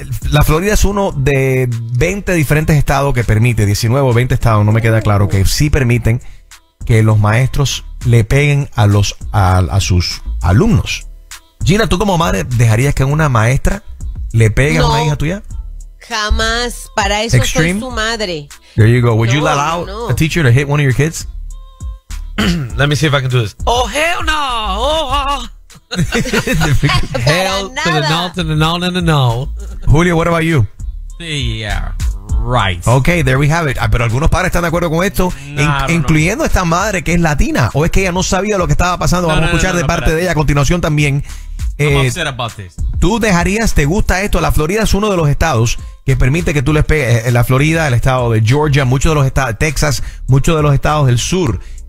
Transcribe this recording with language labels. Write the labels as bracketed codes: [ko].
[es] La Florida es uno de 20 diferentes estados que permite, 19 o 20 estados, no me queda claro, que sí permiten que los maestros le peguen a los a sus alumnos. Gina, ¿tú como madre dejarías que una maestra le pegue a una hija tuya? Jamás, para eso Extreme. Soy su madre. [en] There you go. Would you allow a teacher to hit one of your kids? Let me see if I can do this. Oh, hell no. Oh. Hell to the no, to the no, to the no. Julio, what about you? Yeah, right. Okay, there we have it. [es] Pero algunos padres están de acuerdo con esto, incluyendo esta madre que es latina. ¿O es que ella no sabía lo que estaba pasando? Vamos a escuchar de parte de ella a continuación también. [en] I'm upset about this. [es] ¿Tú dejarías, te gusta esto? La Florida es uno de los estados que permite que tú les pegues. En la Florida, el estado de Georgia, muchos de los estados, Texas, muchos de los estados del sur.